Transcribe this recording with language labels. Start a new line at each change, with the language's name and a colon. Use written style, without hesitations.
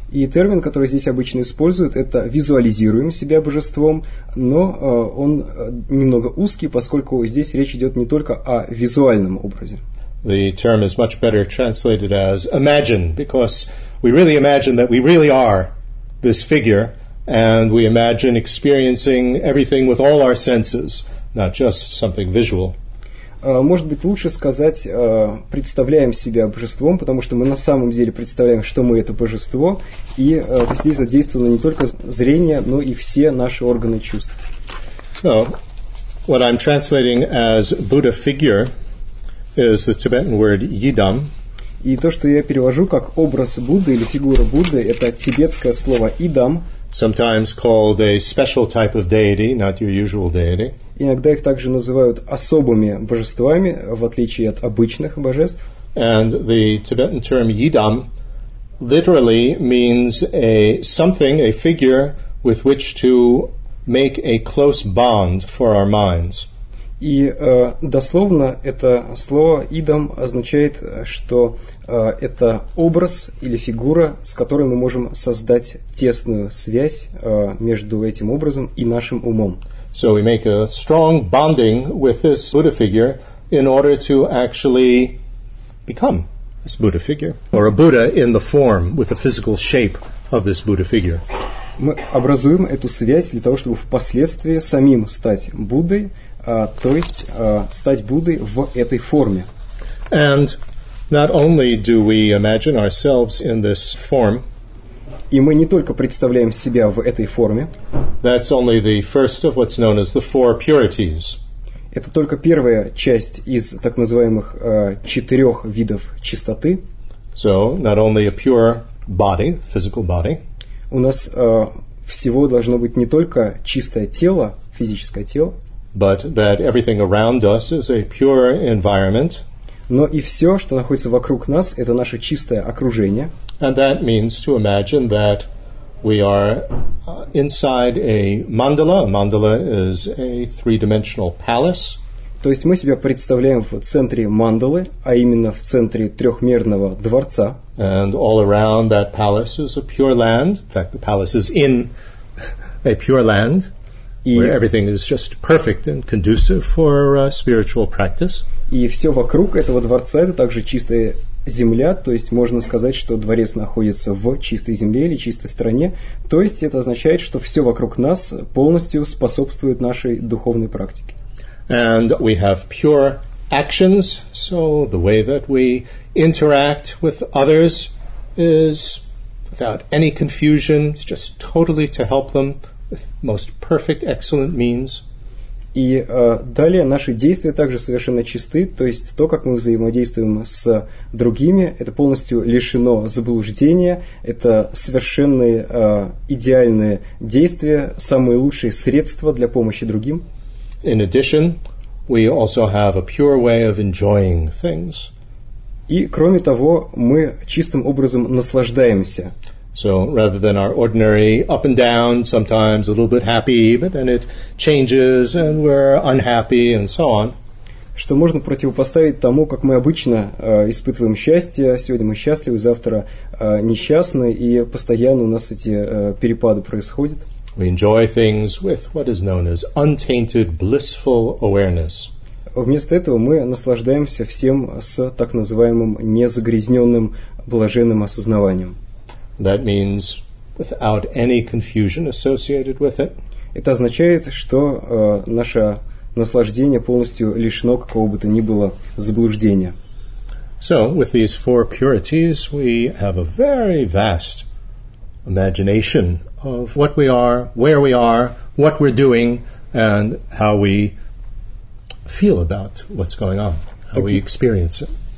Russian: И термин, который здесь обычно используют, это «визуализируем себя божеством», но он немного узкий, поскольку здесь речь идет не только о визуальном образе.
English: The term is much better translated as «imagine», because we really imagine that we really are this figure, and we imagine experiencing everything with all our senses, not just something visual.
Russian: Может быть, лучше сказать «представляем себя божеством», потому что мы на самом деле представляем, что мы – это божество, и здесь задействовано не только зрение, но и все наши органы чувств.
English: So, what I'm translating as Buddha figure is the Tibetan word «yidam».
Russian: И то, что я перевожу как «образ Будды» или «фигура Будды» – это тибетское слово «идам».
English: Sometimes called a special type of deity, not your usual deity.
Russian: Иногда их также называют особыми божествами, в отличие от обычных божеств.
English: And the Tibetan term yidam literally means a something, a figure, with which to make a close bond for our minds.
Russian: И дословно это слово «идам» означает, что это образ или фигура, с которой мы можем создать тесную связь между этим образом и нашим умом.
English: So we make a strong bonding with this Buddha figure in order to actually become this Buddha figure, or a Buddha in the form, with the physical shape of this Buddha figure.
Russian: Мы образуем эту связь для того, чтобы впоследствии самим стать Буддой, то есть стать Буддой в этой форме.
English: And not only do we imagine ourselves in this form.
Russian: И мы не только представляем себя в этой форме.
English: That's only the first of what's known as the four purities.
Russian: Это только первая часть из так называемых четырех видов чистоты.
English: So, not only a pure body, physical body.
Russian: У нас всего должно быть не только чистое тело, физическое тело,
English: but that everything around us is a pure environment.
Russian: Но и все, что находится вокруг нас, это наше чистое окружение.
English: And that means to imagine that we are inside a mandala. Mandala is a three-dimensional palace.
Russian: То есть мы себя представляем в центре мандалы, а именно в центре трехмерного дворца.
English: And all around that palace is a pure land. In fact, the palace is in a pure land, where everything is just perfect and conducive for spiritual practice.
Russian: И все вокруг этого дворца это также чистая земля, то есть можно сказать, что дворец находится в чистой земле или чистой стране. То есть это означает, что все вокруг нас полностью способствует нашей духовной практике.
English: And we have pure actions, so the way that we interact with others is without any confusion, it's just totally to help them with most perfect, excellent means.
Russian: И далее наши действия также совершенно чисты, то есть то, как мы взаимодействуем с другими, это полностью лишено заблуждения, это совершенные идеальные действия, самые лучшие средства для помощи другим.
English: In addition, we also have a pure way of enjoying things.
Russian: И кроме того, мы чистым образом наслаждаемся.
English: So rather than our ordinary up and down, sometimes a little bit happy, but then it changes and we're unhappy and so on.
Russian: Что можно противопоставить тому, как мы обычно испытываем счастье, сегодня мы счастливы, завтра несчастны, и постоянно у нас эти перепады происходят.
English: We enjoy things with what is known as untainted blissful awareness.
Russian: Вместо этого мы наслаждаемся всем с так называемым незагрязненным блаженным осознаванием.
English: That means without any confusion associated with it.
Russian: Это означает, что наше наслаждение полностью лишено какого бы то ни было заблуждения.
English: So, with these four purities, we have a very vast imagination of what we are, where we are, what we're doing, and how we feel about what's going on, how we experience it.